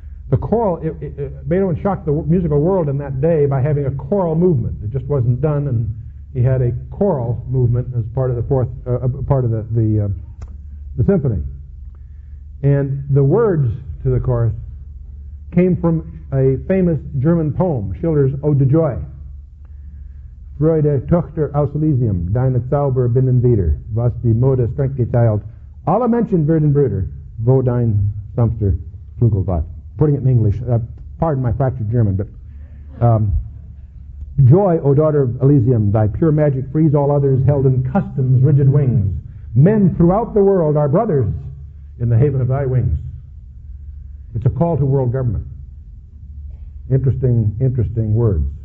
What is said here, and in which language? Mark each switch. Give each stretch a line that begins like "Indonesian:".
English: The choral, Beethoven shocked the musical world in that day by having a choral movement. It just wasn't done, and he had a choral movement as part of the the symphony. And the words to the chorus came from a famous German poem, Schiller's Ode to Joy.
German: Freude, Tochter aus Elysium, deine Zauber binden wieder, was die Mode strengt geteilt, alle Menschen werden brüder, wo dein Sanfter Flügelbad.
English: Putting it in English, pardon my fractured German, but joy, O daughter of Elysium, thy pure magic frees all others held in custom's rigid wings. Men throughout the world are brothers in the haven of thy wings. It's a call to world government. Interesting words.